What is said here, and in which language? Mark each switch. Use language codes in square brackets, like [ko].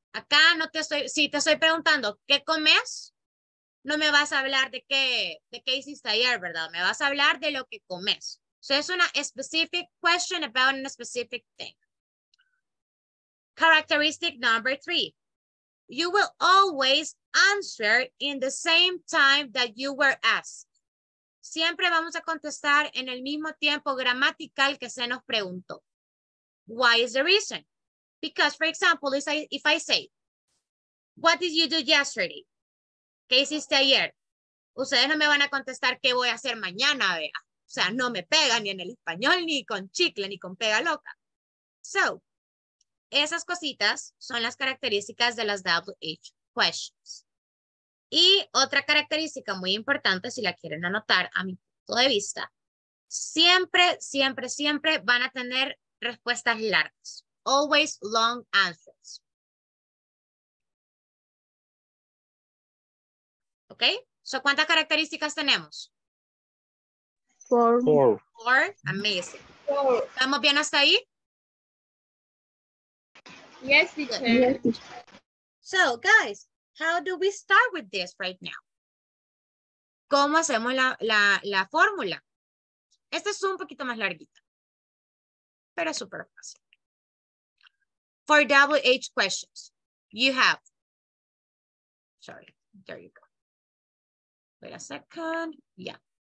[es] Acá no te estoy, si te estoy preguntando, ¿qué comes? No me vas a hablar de qué hiciste ayer, ¿verdad? Me vas a hablar de lo que comes. [en] So, [es] es una [en] specific question about a specific thing. Characteristic number three. You will always answer in the same time that you were asked. [es] Siempre vamos a contestar en el mismo tiempo gramatical que se nos preguntó. [en] Why is the reason? Because, for example, if I say, what did you do yesterday? [es] ¿Qué hiciste ayer? Ustedes no me van a contestar qué voy a hacer mañana, vea. O sea, no me pega ni en el español, ni con chicle, ni con pega loca. So, esas cositas son las características de las WH questions. Y otra característica muy importante, si la quieren anotar a mi punto de vista, siempre, siempre, siempre van a tener respuestas largas. [en] Always long answers. [es] ¿Ok? So, ¿cuántas características tenemos? [en] Four. Amazing. Four. [es] ¿Estamos bien hasta ahí? [en] Yes, teacher. So, guys, how do we start with this right now? [es] ¿Cómo hacemos la fórmula? Este es un poquito más larguito, pero es súper fácil. [en] For WH questions, you have... Sorry, there you go. Wait a second. Yeah.